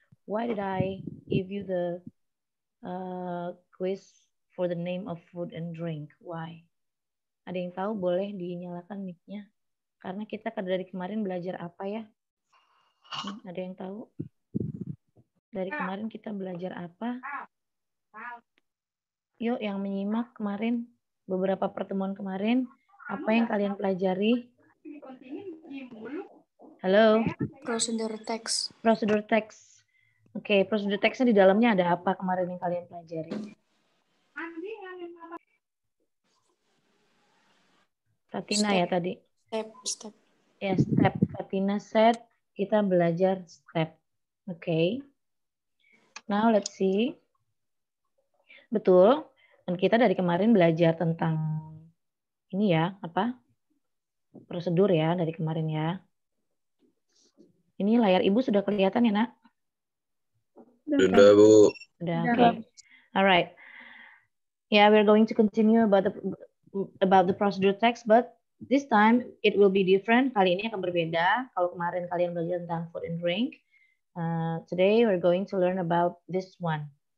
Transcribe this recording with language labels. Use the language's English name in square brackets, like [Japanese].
[English] Why did I give you the quiz for the name of food and drink? Why? [Indonesian] Ada yang tahu boleh dinyalakan mic-nya? Karena kita dari kemarin belajar apa ya? Hmm, ada yang tahu? Dari kemarin kita belajar apa? Yuk yang menyimak kemarin, beberapa pertemuan kemarin, apa yang kalian pelajari? Halo? Prosedur teks. Prosedur teks. Oke, okay, prosedur teksnya di dalamnya ada apa kemarin yang kalian pelajari? Tatina step. Ya tadi. Step, step. Ya, yeah, step. Tatina set, kita belajar step. Oke. Okay. [English] Now, let's see. [Indonesian] Betul. Dan kita dari kemarin belajar tentang ini ya, apa? Prosedur ya, dari kemarin ya. Ini layar ibu sudah kelihatan ya, nak? Sudah, Bu. Sudah, oke. [English] Okay. Alright. Yeah, we're going to continue about the procedure text, but this time it will be different. [Indonesian] Kali ini akan berbeda. Kalau kemarin kalian belajar tentang food and drink, [English] today we're going to learn about this one.